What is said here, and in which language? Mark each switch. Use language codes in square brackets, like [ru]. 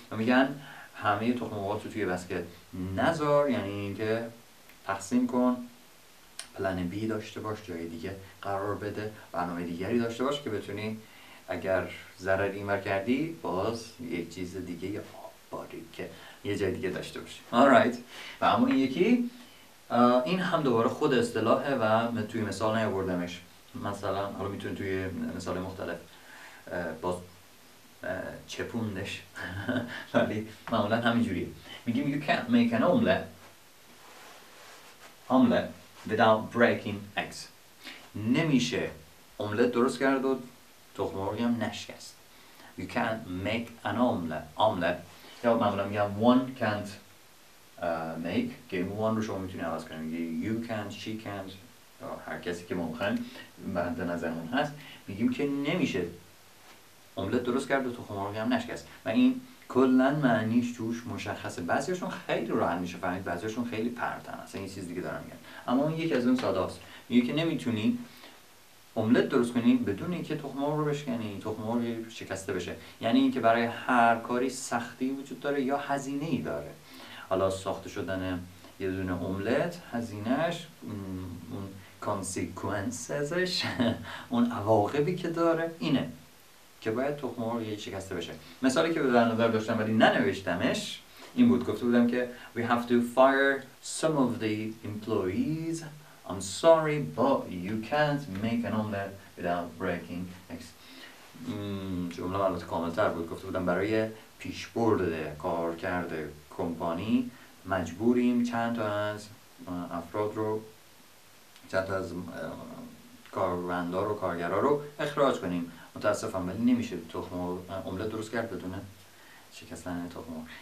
[fa] و میگن همه تخم مرغات رو توی بسکت نذار، یعنی اینکه تقسیم کن، پلن بی داشته باش، جای دیگه قرار بده، برنامه دیگری داشته باش که بتونی اگر ضرر این بر کردی باز یک چیز دیگه یا باری که یه جای دیگه داشته باشی. [en] Alright. [fa] و اما این یکی، این هم دوباره خود اصطلاحه و توی مثال نیاوردمش. مثلا حالا میتونی توی مثال مختلف باز چپوندش، ولی معمولا همینجوریه. میگیم [en] You can't make an omelette without breaking eggs. [fa] نمیشه املت درست کرد و تخم مرغی هم نشکست. [en] You can't make an omelette. [fa] یا معمولا میگم [en] One can't make. [fa] Game one رو شما میتونی عوض کنیم. [en] You can't, she can't. [fa] هر کسی که ما بخواییم بعد نظرمون هست، میگیم که نمیشه املت درست کرد و تخم مرغی هم نشکست و این کلن معنیش توش مشخصه. بعضیشون خیلی راحت میشه فهمید، بعضیشون خیلی پرتن، اصلا این چیز دیگه دارم میگن. اما اون یکی از اون ساده است، یکی که نمیتونی املت درست کنی بدون اینکه تخم مرغ رو بشکنی، تخم مرغ شکسته بشه. یعنی اینکه برای هر کاری سختی وجود داره یا هزینه ای داره. حالا ساخته شدن یه دونه املت هزینهش، اون کانسیکوئنسش، اون عواقبی که داره اینه که باید تخم مرغ شکسته بشه. مثالی که به در نظر داشتم ولی ننوشتمش این بود، گفته بودم که [en] we have to fire some of the employees. I'm sorry, but you can't make an omelet without breaking eggs. [fa] جمله البته کامل‌تر بود. گفته بودم برای پیشبرد کارکرد کمپانی مجبوریم چند تا از افراد رو، چند تا از کارمندان و کارگرا رو اخراج کنیم. متاسفم ولی نمیشه تخم املت درست کرد بدون شکستن تخم مرغ.